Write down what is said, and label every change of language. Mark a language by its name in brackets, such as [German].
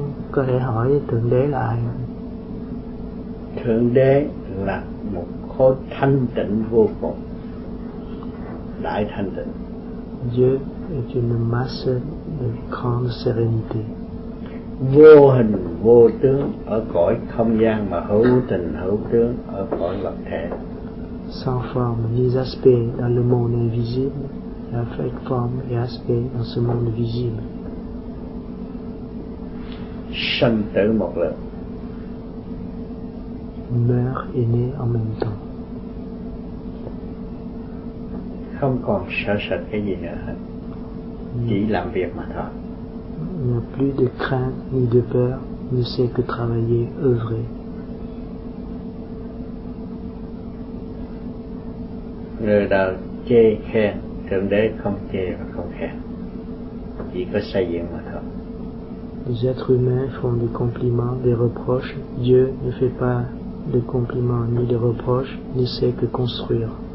[Vietnamese] Có thể hỏi Thượng Đế là ai? Thượng Đế là một khối thanh tịnh vô cùng, đại thanh tịnh. [French] Dieu est une masse de grande sérénité. [Vietnamese] Vô hình vô tướng ở cõi không gian mà hữu tình hữu tướng ở cõi vật thể. [French] Sans forme ni aspect dans le monde invisible, avec forme et aspect dans ce monde visible. [Vietnamese] Sanh tử một lần. [French] Meurt et naît en même temps. [Vietnamese] Không còn sợ sệt cái gì nữa hết. Chỉ làm việc mà thôi. [French] Il n'y a plus de crainte ni de peur, ne sait que travailler, œuvrer. [Vietnamese] Người đời chê khen, Thượng Đế không chê và không khen. Chỉ có xây dựng mà thôi. [French] Les êtres humains font des compliments, des reproches. Dieu ne fait pas de compliments ni de reproches, ni sait que construire.